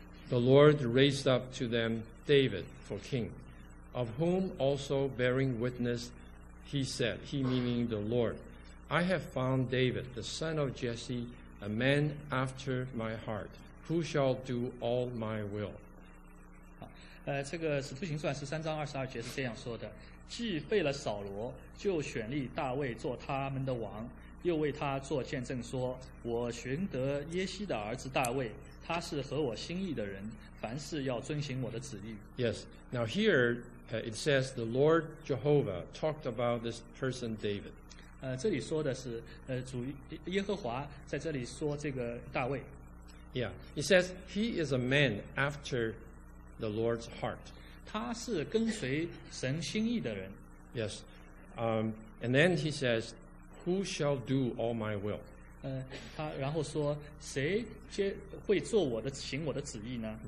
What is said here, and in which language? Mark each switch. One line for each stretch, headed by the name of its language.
English: The Lord raised up to them David for king, of whom also bearing witness, he said, he meaning the Lord, I have found David, the son of Jesse, a man after my heart, who shall do all my will.
Chinese: 这个使徒行传十三章二十二节是这样说的，既废了扫罗，就选立大卫做他们的王，又为他做见证说，我寻得耶西的儿子大卫。他是合我心意的人，凡事要遵行我的旨意。
English: Yes. Now here, it says the Lord Jehovah talked about this person David.
Chinese: 这里说的是主耶和华在这里说这个大卫。
English: Yeah, it says he is a man after the Lord's heart.
Chinese: 他是跟随神心意的人。
English: Yes, and then he says, "Who shall do all my will?"
Chinese: 他然后说谁接会做我的行我的旨意呢？